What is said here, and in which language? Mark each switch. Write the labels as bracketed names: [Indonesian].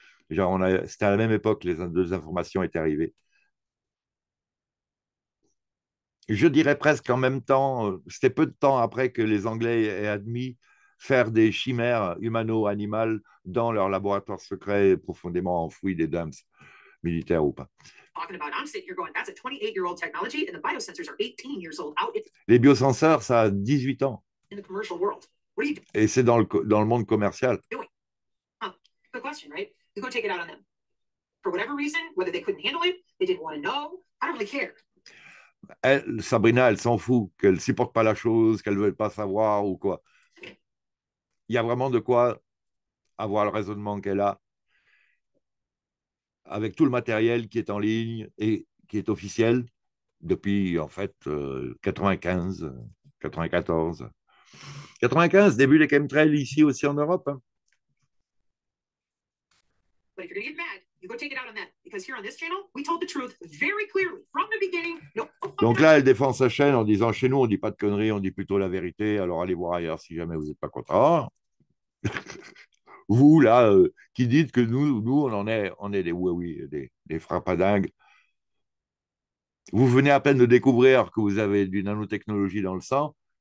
[French] C'était à la même époque, les deux informations étaient arrivées. Je dirais presque en même temps, c'était peu de temps après que les Anglais aient admis faire des chimères humano-animales dans leur laboratoire secret profondément enfoui des dumps, militaires ou pas. [English] Talking about on state, you're going, that's a 28-year-old technology, and the biosensors are 18 years old out [French] Les biosenseurs, ça a 18 ans. [English] in the commercial world. What are you [French] Et c'est dans le monde commercial. [English] doing? Good question, right? You go take it out on them. For whatever reason, whether they couldn't handle it, they didn't want to know, I don't really care. [French] Sabrina, elle s'en fout, qu'elle ne supporte pas la chose, qu'elle ne veut pas savoir ou quoi. Il y a vraiment de quoi avoir le raisonnement qu'elle a avec tout le matériel qui est en ligne et qui est officiel. Depuis en fait 95, 94, 95, début des chemtrails ici aussi en Europe. Hein. [English] But if you're gonna get mad, you go take it out on them. Because here on this channel, we told the truth very clearly from the beginning. No [French] Donc là, elle défend sa chaîne en disant chez nous, on dit pas de conneries, on dit plutôt la vérité. Alors allez voir ailleurs si jamais vous n'êtes pas content. Vous là, qui dites que nous, on est des oui, des frappadingues. Vous venez à peine de découvrir que vous avez du nanotechnologie dans le sang.